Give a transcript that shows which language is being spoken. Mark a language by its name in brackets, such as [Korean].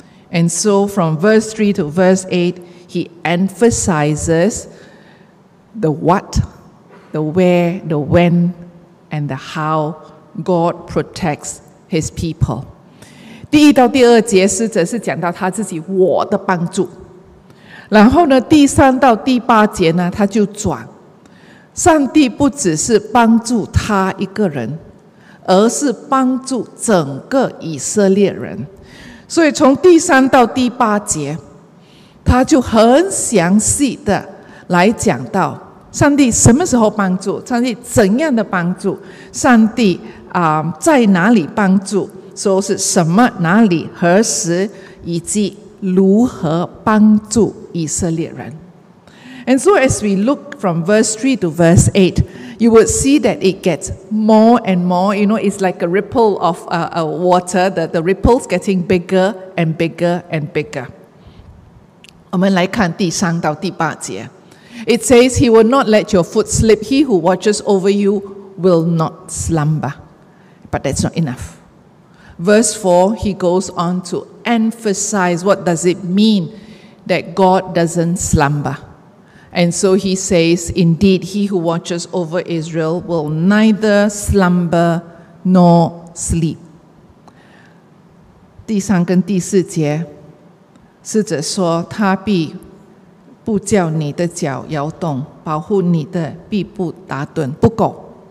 [English] And so from verse 3 to verse 8, he emphasizes the what, the where, the when, and the how God protects his people. [Chinese] 第一到第二节诗者是讲到他自己我的帮助，然后呢，第三到第八节呢，他就转，上帝不只是帮助他一个人，而是帮助整个以色列人。所以从第三到第八节，他就很详细的来讲到上帝什么时候帮助，上帝怎样的帮助，上帝在哪里帮助，说是什么，哪里，何时，以及如何帮助以色列人。 [English] And so as we look from verse 3 to verse 8, you would see that it gets more and more, you know, it's like a ripple of water, the ripples getting bigger and bigger and bigger. [Chinese] 我们来看第三到第八节。 [English] It says, he will not let your foot slip. He who watches over you will not slumber. But that's not enough. Verse 4, he goes on to emphasize what does it mean that God doesn't slumber. And so he says, indeed, he who watches over Israel will neither slumber nor sleep. [Chinese] 第三跟第四节，是指说他必不叫你的脚摇动，保护你的必不打盹，不苟。